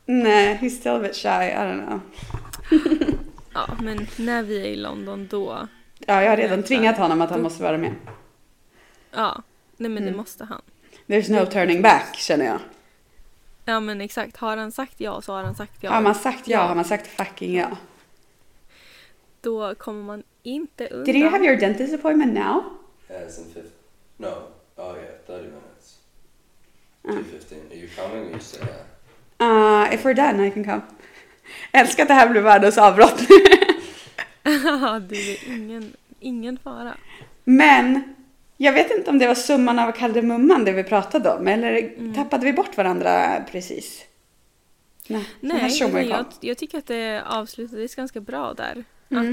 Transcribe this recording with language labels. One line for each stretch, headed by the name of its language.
English: Nah, he's still a bit shy. I don't know.
Swedish: Ja, men när vi är i London då... Ja, jag har redan tvingat honom att han måste vara med. Ja, nej men det måste han.
English: There's no turning back,
Swedish: känner jag. Ja, men exakt. Har han sagt ja så har han sagt ja. Har man sagt ja, har man sagt fucking ja. Då kommer man inte undan.
English: Did you have your dentist appointment now? Yes, in 15. No. Oh yeah, 30 minutes. 2:15. Are you coming or you stay there? If we're done, I can come.
Swedish: Älskar att det här blir världens avbrott. Ja, det är ingen fara. Men, jag vet inte om det var summan av kardemumman det vi pratade om. Eller tappade vi bort varandra precis? Nej, jag tycker att det avslutades ganska bra där. Mm.